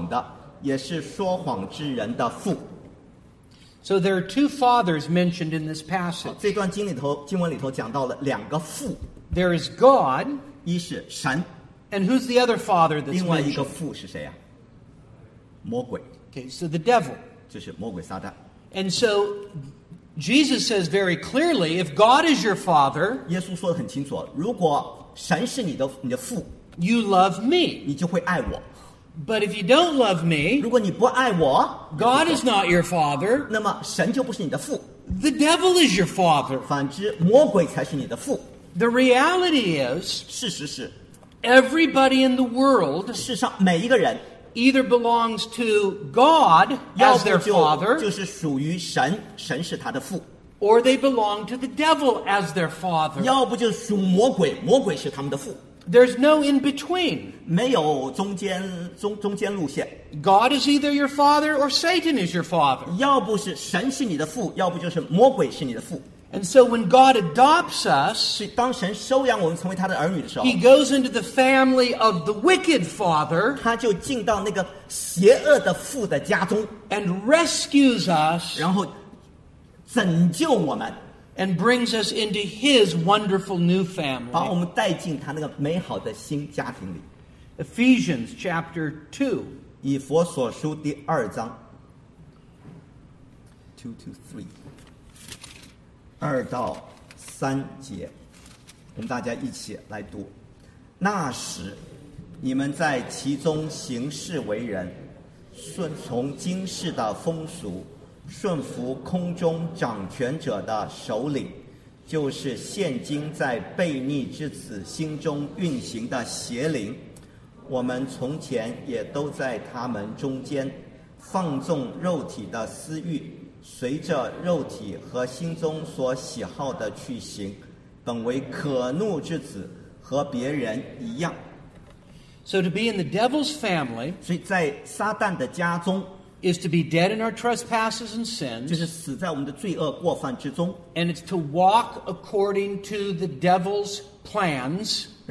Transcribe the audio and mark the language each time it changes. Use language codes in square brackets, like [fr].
[zh] 无非是因你们不能听我的道，你们是出于你们的父魔鬼，你们的父的私欲，你们偏要行。他从起初是说杀人的，不守真理，因他心里没有真理。他说谎是出于自己，因他本来是说谎的，也是说谎之人的父。 [en] So there are two fathers mentioned in this passage. [zh] 这段经里头讲到了两个父。 [en] There is God. [zh] 一是神。 [en] And who's the other father that's mentioned? [zh] 另外一个父是谁啊?魔鬼。 [en] Okay, so the devil. [zh] 就是魔鬼撒旦。 [en] And so Jesus says very clearly, if God is your father, [zh] 耶稣说得很清楚, 如果神是你的父, [en] you love me. [zh] 你就会爱我。 [en] But if you don't love me, [zh] 如果你不爱我, [en] God is not your father. [zh] 那么神就不是你的父, [en] the devil is your father. [zh] 反之,魔鬼才是你的父。 [en] The reality is, [zh] 事实是, [en] everybody in the world [zh] 世上每一个人, [en] either belongs to God as their father, [zh] 就是属于神, 神是他的父, [en] or they belong to the devil as their father. [zh] 要不就属魔鬼, 魔鬼是他们的父。 [en] There's no in between. [zh] 没有中间路线。 [en] God is either your father or Satan is your father. [zh] 要不是神是你的父, 要不就是魔鬼是你的父。 [en] And so when God adopts us, [zh] 当神收养我们成为他的儿女的时候, [en] He goes into the family of the wicked father, [zh] 他就进到那个邪恶的父的家中, [en] and rescues us, [zh] 然后拯救我们。 [en] And brings us into his wonderful new family. [zh] 把我们带进他那个美好的新家庭里。 [en] Ephesians chapter 2. [zh] 以弗所书第二章。 [en] 2 to 3. [zh] 2到3节。我们大家一起来读。那时,你们在其中行事为人, 顺从今世的风俗, 顺服空中掌权者的首领，就是现今在悖逆之子心中运行的邪灵。我们从前也都在他们中间，放纵肉体的私欲，随着肉体和心中所喜好的去行，本为可怒之子，和别人一样。 [en] So to be in the devil's family, [zh] 所以在撒旦的家中, [en] is to be dead in our trespasses and sins, and it's to walk according to the devil's plans,